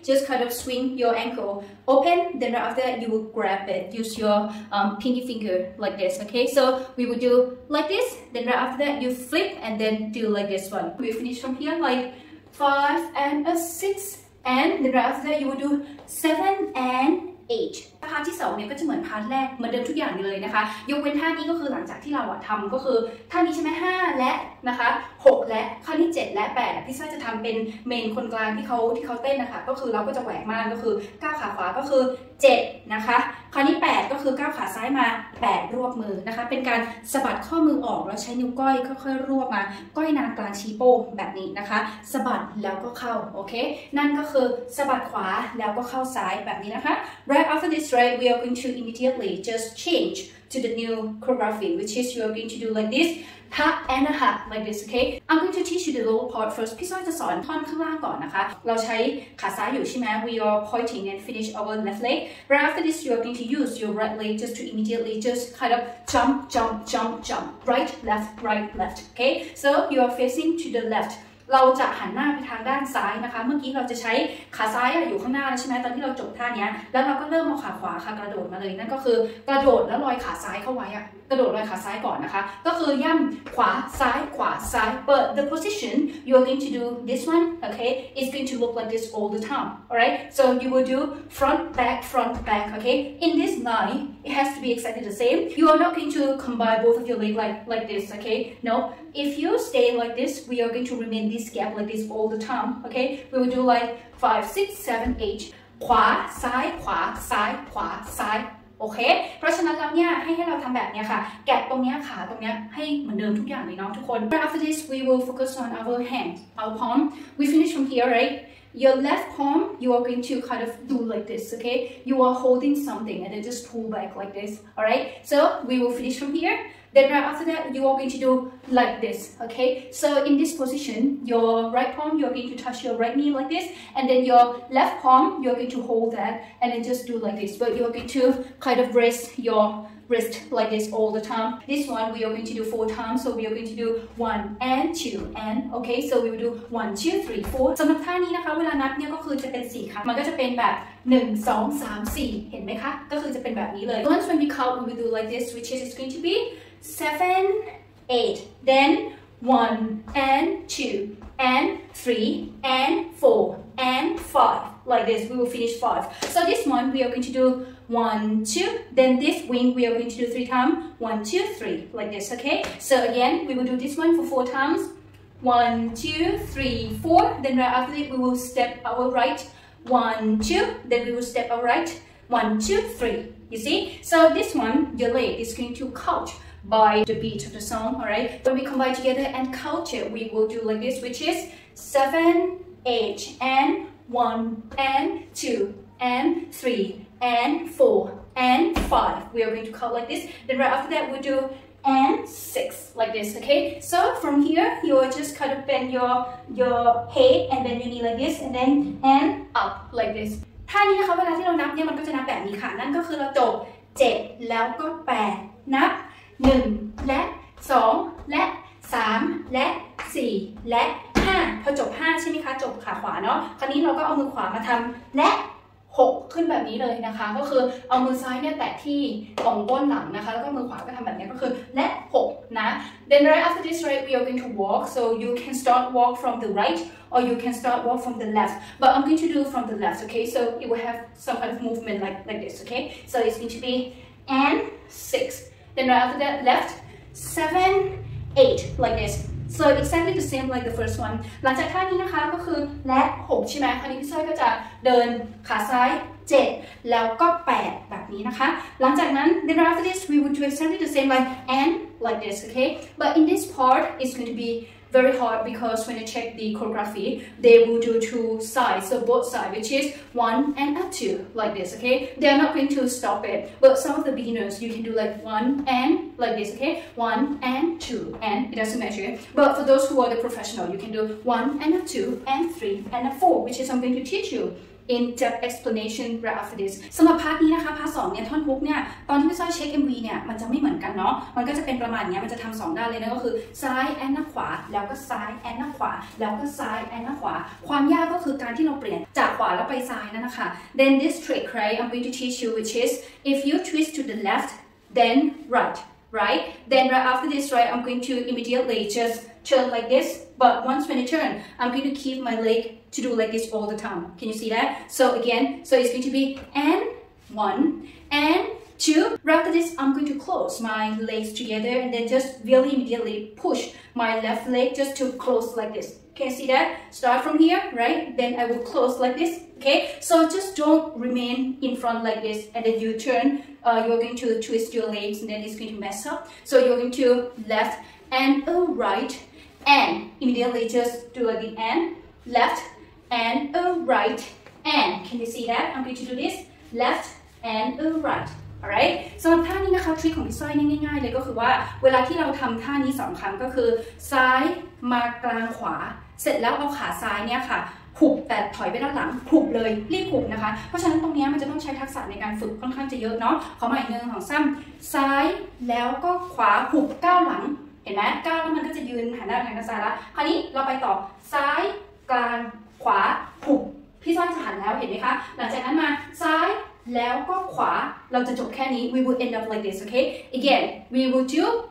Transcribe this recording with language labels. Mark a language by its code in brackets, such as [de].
[en] Just kind of swing your ankle open, then after that, you will grab it. Use your pinky finger like this, okay? So we will do like this, then after that, you flip and then do like this one. We finish from here, like 5 and 6. And then after that, you will do 7 and 8. [th] พาร์ทที่2เนี่ยก็จะเหมือนพาร์ทแรกเหมือนเดิมทุกอย่างเลยนะคะยกเว้นท่านี้ก็คือหลังจากที่เราทําก็คือท่านี้ใช่ไหม5และนะคะ6และข้อที่7และ8ที่ซอยจะทําเป็นเมนคนกลางที่เค้าเต้นนะคะก็คือเราก็จะแหวกมากก็คือก้าวขาขวาก็คือ 7นะคะข้อที่8ก็คือก้าวขาซ้ายมา8รวบมือนะคะเป็นการสะบัดข้อมือออกแล้วใช้นิ้วก้อยค่อยๆรวบมาก้อยนางกลางชี้โป้งแบบนี้นะคะสะบัดแล้วก็เข้าโอเคนั่นก็คือสะบัดขวาแล้วก็เข้าซ้ายแบบนี้นะคะ [en] right after thisRight, we are going to immediately just change to the new choreography, which is you are going to do like this, tap and a tap like this. Okay, I'm going to teach you the lower part first. [th] พี่ซอยจะสอนท่อนข้างล่างก่อนนะคะเราใช้ขาซ้ายอยู่ใช่ไหม [en] We are pointing and finish our left leg. Right after this, you are going to use your right leg just to immediately just kind of jump, jump, jump, jump. Right, left, right, left. Okay, so you are facing to the left. [th] เราจะหันหน้าไปทางด้านซ้ายนะคะเมื่อกี้เราจะใช้ขาซ้ายอยู่ข้างหน้าใช่ไหมตอนที่เราจบท่านี้แล้วเราก็เริ่มเอาขาขวาค่ะกระโดดมาเลยนั่นก็คือกระโดดแล้วลอยขาซ้ายเข้าไว้อะกระโดดลอยขาซ้ายก่อนนะคะก็คือย่ำขวาซ้ายขวาซ้าย [en] but the position you're going to do this one okay it's going to look like this all the time alright so you will do front back okay in this line it has to be exactly the same you are not going to combine both of your leg like this okay no if you stay like this we are going to remainthis gap like this all the time okay we will do like 5 6 7 8 [th] ขวาซ้ายขวาซ้ายขวาซ้าย โอเคเพราะฉะนั้นแล้วเนี่ยให้เราทำแบบเนี้ยค่ะแกะตรงเนี้ยขาตรงเนี้ยให้เหมือนเดิมทุกอย่างเลยเนาะทุกคน [en] after this we will focus on our hand our palm we finish from here right your left palm you are going to kind of do like this okay you are holding something and then just pull back like this all right so we will finish from hereThen right after that, you are going to do like this, okay? So in this position, your right palm, you are going to touch your right knee like this, and then your left palm, you are going to hold that, and then just do like this. But you are going to kind of raise your wrist like this all the time. This one, we are going to do 4 times, so we are going to do 1 and 2 and, okay? So we will do 1, 2, 3, 4. [th] สำหรับท่านี้นะคะ เวลานับเนี่ยก็คือจะเป็น 4 ครั้ง มันก็จะเป็นแบบ1 2 3 4 เห็นไหมคะ ก็คือจะเป็นแบบนี้เลย [en] Once when we count, we will do like this, which is going to be 7, 8, then 1 and 2 and 3 and 4 and 5, like this, we will finish 5. So this one, we are going to do 1, 2, then this wing, we are going to do 3 times, 1, 2, 3, like this, okay? So again, we will do this one for 4 times, 1, 2, 3, 4, then right after it, we will step our right, 1, 2, then we will step our right, 1, 2, 3, you see? So this one, your leg is going to couch. By the beat of the song, alright. When we combine together and count it, we will do like this, which is 7, 8, and 1, and 2, and 3, and 4, and 5. We are going to count like this. Then right after that, we'll do and 6 like this. Okay. So from here, you are just kind of bend your head and bend your knee like this, and then and up like this. [th] ท่านี้นะคะเวลาที่เรานับเนี่ยมันก็จะนับแบบนี้ค่ะนั่นก็คือเราจบ7แล้วก็8นับ1และ2และ3และ4และ5พอจบ5ใช่ไหมคะจบขาขวาเนาะคราวนี้เราก็เอามือขวามาทำและ 6ขึ้นแบบนี้เลยนะคะก็คือเอามือซ้ายเนี่ยแตะที่ตรงก้นหลังนะคะแล้วก็มือขวาก็ทำแบบนี้ก็คือและ6นะ [en] Then right after this right we are going to walk so you can start walk from the right or you can start walk from the left but I'm going to do from the left okay so it will have some kind of movement like this okay so it's going to be and 6Then right after that, left, 7, 8, like this. So exactly the same like the first one. [th] หลังจากท่านี้นะคะก็คือและ6ใช่ไหมคราวนี้พี่ซอยก็จะเดินขาซ้าย7แล้วก็8แบบนี้นะคะหลังจากนั้น [en] then right after this, we would do exactly the same like and like this, okay? But in this part, it's going to be very hard because when you check the choreography, they will do two sides, so both sides, which is one and a two, like this, okay? They are not going to stop it, but some of the beginners, you can do like one and like this, okay? One and two, and it doesn't matter. But for those who are the professional, you can do one and a two and three and a four, which is something to teach you. In depth explanation right after this [th] สำหรับพาร์ทนี้นะคะพาร์ทสองเนี่ยท่อนฮุกเนี่ยตอนที่พี่ซอยเช็ค MV เนี่ยมันจะไม่เหมือนกันเนาะมันก็จะเป็นประมาณเนี้ยมันจะทำสองด้านเลยนะก็คือซ้ายแอนด์หน้าขวาแล้วก็ซ้ายแอนด์หน้าขวาแล้วก็ซ้ายแอนด์หน้าขวาความยากก็คือการที่เราเปลี่ยนจากขวาแล้วไปซ้ายนั่นนะคะ [en] Then this trick right I'm going to teach you which is if you twist to the left then right then right after this right I'm going to immediately just turn like this but once when you turn I'm going to keep my legTo do like this all the time. Can you see that? So again, so it's going to be and one and two. Right after this, I'm going to close my legs together and then just really immediately push my left leg just to close like this. Can you see that? Start from here, right? Then I will close like this. Okay. So just don't remain in front like this and then you turn. You're going to twist your legs and then it's going to mess up. So you're going to left and a right and immediately just do like the and. Left and a right and can you see that I'm going to do this left and a right all right [th] สำหรับท่านี้นะคะทริคของพี่สร้อยง่ายๆเลยก็คือว่าเวลาที่เราทำท่านี้สองครั้งก็คือซ้ายมากลางขวา เสร็จแล้วเอาขาซ้ายเนี่ยค่ะหุบแต่ถอยไปด้านหลังหุบเลยรีบหุบนะคะเพราะฉะนั้นตรงนี้มันจะต้องใช้ทักษะในการฝึกค่อนข้างจะเยอะเนาะขอใหม่หนึ่งของซ้ำซ้ายแล้วก็ขวาหุบก้าวหลังเห็นไหมก้าวแล้วมันก็จะยืนหันหน้าทางซ้ายละคราวนี้เราไปต่อซ้ายกลางขวาหุบพี่ซ้อนจะหันแล้วเห็นไหมคะหลังจากนั้นมาซ้ายแล้วก็ขวาเราจะจบแค่นี้ [en] we will end up like this okay again we will do